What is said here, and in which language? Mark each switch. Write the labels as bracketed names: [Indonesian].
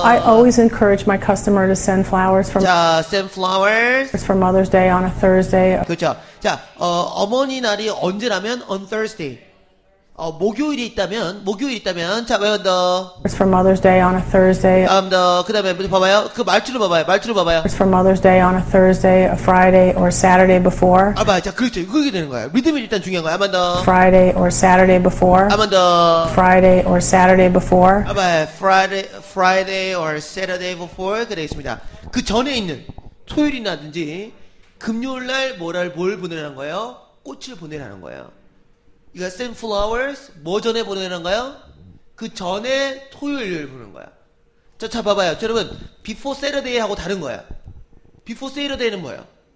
[English] I always encourage my customer to send flowers from. [Korean] 자, [English] send flowers. For Mother's Day on a Thursday. [Korean] 그쵸? 자, 어머니 날이 언제라면 [English] on Thursday. [Korean] 목요일이 있다면, 자, 한번 더. [English] It's for Mother's Day on a Thursday. [Korean] 그 다음에, 봐봐요. 그 말투를 봐봐요. [English] It's for Mother's Day on a Thursday, a Friday, or Saturday before. [Korean] 아, 봐요. 자, 그렇죠. 그게 되는 거야. 리듬이 일단 중요한 거야. 한번 더. [English] Friday or Saturday before. [Korean] 한번 더. [English] Friday or Saturday before. [Korean] 아, 봐요. [English] Friday or Saturday before. [Korean] 그 되겠습니다. 그 전에 있는 토요일이라든지 금요일날 뭘 보내라는 거예요? 꽃을 보내라는 거예요. 이거 [English] send flowers [Korean] 뭐 전에 보내는 거예요? 그 전에 토요일을 보는 거야. 자, 봐봐요. 자, 여러분 [English] before Saturday [Korean] 하고 다른 거야. before Saturday는 뭐예요?